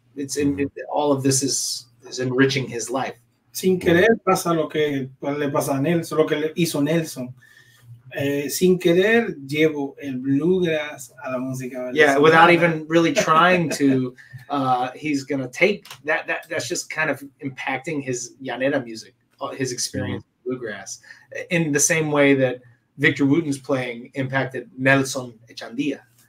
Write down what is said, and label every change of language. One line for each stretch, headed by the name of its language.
English: It's in all of this is enriching his life.
Spanish: Sin querer pasa lo que le pasa a Nelson, lo que le hizo Nelson. Sin querer llevo el bluegrass a la música.
English: Yeah, without even really trying to, he's gonna take that. That's just kind of impacting his Llanera music, his experience with bluegrass, in the same way that Victor Wooten's playing impacted Nelson Echandía.